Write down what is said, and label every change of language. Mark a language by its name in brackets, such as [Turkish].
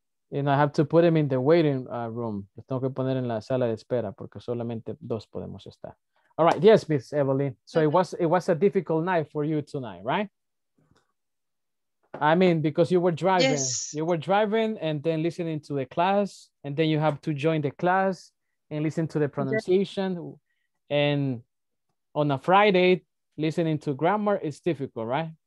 [English] And I have to put him in the waiting room. [Spanish] Los tengo que poner en la sala de espera porque solamente dos podemos estar. [English] All right, yes, Miss Evelyn. So it was a difficult night for you tonight, right? I mean, because you were driving. Yes. You were driving and then listening to the class, and then you have to join the class and listen to the pronunciation. Yes. And on a Friday, listening to grammar is difficult, right?